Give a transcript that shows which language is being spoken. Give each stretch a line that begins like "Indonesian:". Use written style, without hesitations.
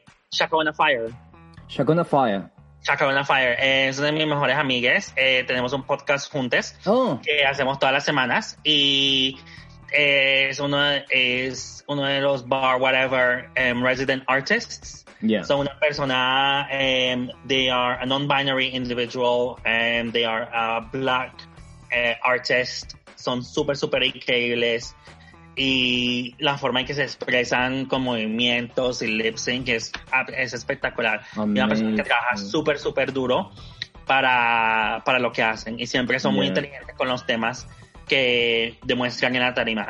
English: Shaka on a fire. Shaka on a fire.
Spanish: Es una de mis mejores amigas. Tenemos un podcast juntes que hacemos todas las semanas y es uno de los
English: bar whatever resident artists.
Spanish: Yeah.
English: So
Spanish: una persona,
English: they are a non-binary individual and they are a black artist.
Spanish: Son super, super increíbles. Y la forma en que se expresan con movimientos y lip sync es espectacular.
English: Amazing.
Spanish: Y una persona que trabaja super, super duro para lo que hacen. Y siempre son muy inteligentes con los temas que demuestran en la tarima.